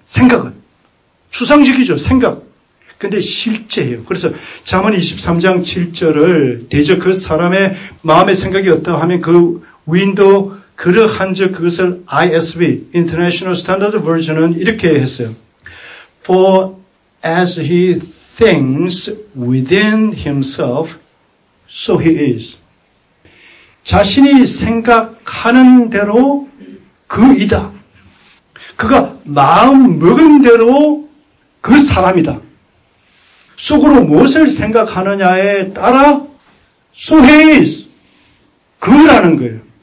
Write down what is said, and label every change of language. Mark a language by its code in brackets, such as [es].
[ko] 생각은. 추상적이죠. 생각. 근데 실제예요. 그래서 잠언 23장 7절을 대저 그 사람의 마음의 생각이 어떠하면 그 위인도 그러한 즉 그것을 ISV, International Standard Version은 이렇게 했어요. [en] For as he thinks within himself, so he is. [ko] 자신이 생각하는 대로 그이다. 그가 마음 먹은 대로 그 사람이다. 속으로 무엇을 생각하느냐에 따라 [en] so he is. [ko] 그라는 거예요.